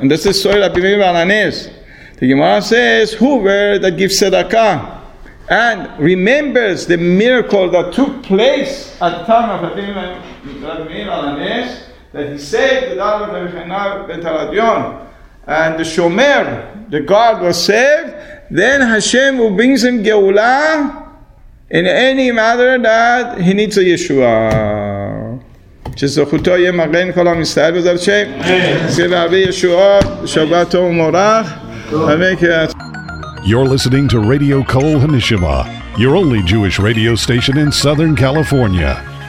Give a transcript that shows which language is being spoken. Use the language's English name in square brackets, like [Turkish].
[English] And this is Soil Abimei Balanes. The Gemara says, who were that give tzedakah and remembers the miracle that took place at the time of Abimei Balanes, that he saved the daughter of Abimei Ben Taradion, and the Shomer, the guard, was saved, then Hashem will bring him Geulah in any matter that he needs a Yeshua. [Hebrew] שזכותו יהיה מגן כל עם ישראל בעזרת השם. נזכה להביא ישועות, שבת טוב ומבורך. אמן כן. [English] You're listening to Radio Kol HaNishma, your only Jewish radio station in Southern California.